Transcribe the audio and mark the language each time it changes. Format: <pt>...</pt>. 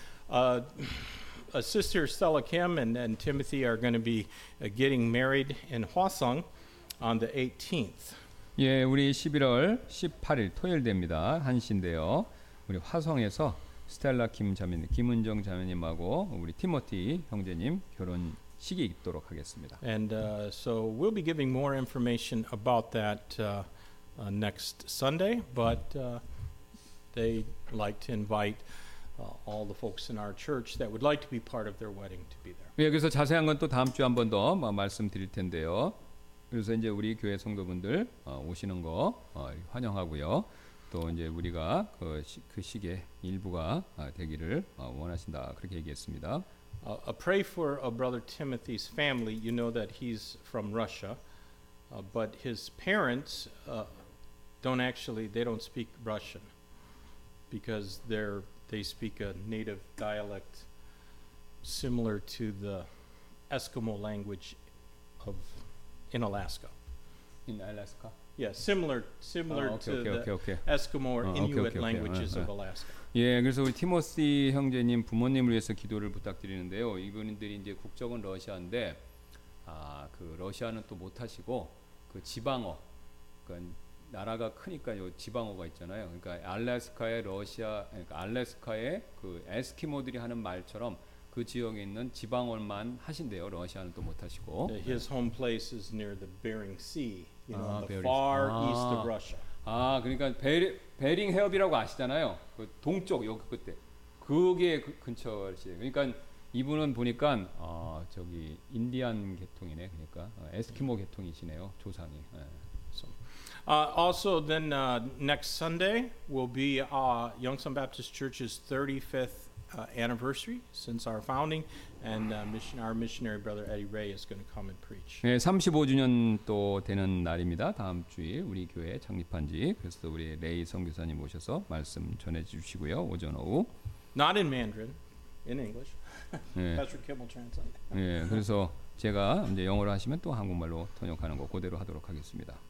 <en>A sister, Stella Kim, and Timothy are going to be getting married in Hwasong on the 18th.</en> <ko>예, 우리 11월 18일 토요일 됩니다. 한신데요. 우리 화성에서 스텔라 김 자매님, 김은정 자매님하고 우리 티모티 형제님 결혼 식이 있도록 하겠습니다.</ko> <en>And so we'll be giving more information about that next Sunday, but they like to invite all the folks in our church that would like to be part of their wedding to be there.</en> <ko>예, 그래서 자세한 건 또 다음 주 한 번 더 말씀드릴 텐데요. 그래서 이제 우리 교회 성도분들 오시는 거 환영하고요. 또 이제 우리가 그 시기에 일부가 되기를 원하신다 그렇게 얘기했습니다.</ko> <en>Pray for a brother Timothy's family. You know that he's from Russia, but his parents don't speak Russian because they speak a native dialect similar to the Eskimo language of in Alaska. In Alaska. Yeah, similar Eskimo or Inuit languages of Alaska.</en> <ko>예, 그래서 우리 티모시 형제님 부모님을 위해서 기도를 부탁드리는데요. 이분들이 이제 국적은 러시아인데, 그 러시아는 또 못하시고 그 지방어, 그러니까 나라가 크니까 요 지방어가 있잖아요. 그러니까 알래스카의 러시아, 그러니까 알래스카의 그 에스키모들이 하는 말처럼 그 지역에 있는 지방어만 하신대요. 러시아는 또 못하시고.</ko> <en>His home place is near the Bering Sea. You know, the far east of Russia.</en> <ko>아, 그러니까 베링 해협이라고 아시잖아요. 그 동쪽 여기 그때 거기에 그 근처에 그러니까 이분은 보니까 저기 인디안 계통이네. 그러니까 에스키모 계통이시네요. 조상이. 예.</ko> <en>So, also then next Sunday will be Yongsan Baptist Church's 35th anniversary since our founding. And our missionary brother Eddie Ray is going to come and preach.</en> <ko>네, 35주년 또 되는 날입니다. 다음 주에 우리 교회 창립한지 그래서 우리 레이 선교사님 모셔서 말씀 전해주시고요. 오전 오후.</ko> <en>Not in Mandarin, in English. 네. Pastor Kim will translate.</en> <ko>네, 그래서 제가 이제 영어로 하시면 또 한국말로 통역하는 거 그대로 하도록 하겠습니다.</ko>